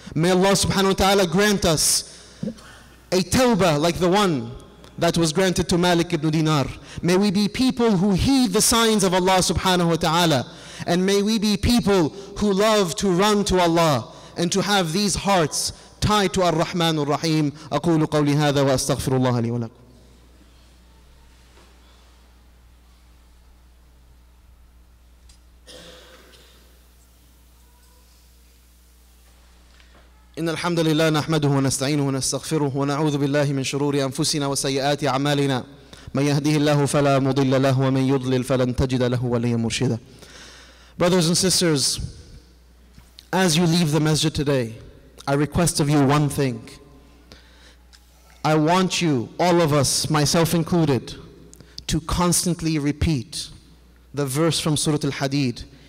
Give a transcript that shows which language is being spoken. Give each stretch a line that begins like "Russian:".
English: May Allah subhanahu wa ta'ala grant us a tawbah like the one that was granted to Malik ibn Dinar. May we be people who heed the signs of Allah subhanahu wa ta'ala. And may we be people who love to run to Allah and to have these hearts tied to Ar-Rahman Ar-Rahim.
Arabic: أقول قولي هذا وأستغفر الله لي ولكم. إن الحمد لله نحمده ونستعينه ونستغفره ونعوذ بالله من شرور أنفسنا وسيئات أعمالنا، من يهده الله فلا مضل له ومن يضلل فلن تجد له وليا مرشدا.
English: Brothers and sisters, as you leave the masjid today, I request of you one thing. I want you, all of us, myself included, to constantly repeat the verse from Surah Al-Hadid.